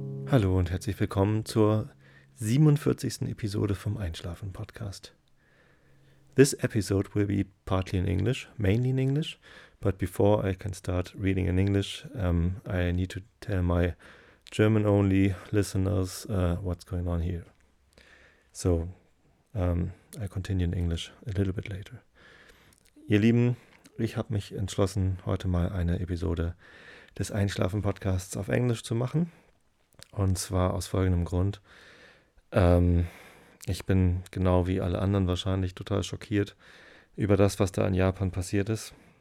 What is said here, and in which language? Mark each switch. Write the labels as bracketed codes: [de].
[de] Hallo und herzlich willkommen zur 47. Episode vom Einschlafen Podcast. [en] This episode will be partly in English, mainly in English, but before I can start reading in English, I need to tell my German-only listeners what's going on here. So, I continue in English a little bit later. [de] Ihr Lieben, ich habe mich entschlossen, heute mal eine Episode des Einschlafen-Podcasts auf Englisch zu machen. Und zwar aus folgendem Grund. Ich bin genau wie alle anderen wahrscheinlich total schockiert über das, was da in Japan passiert ist.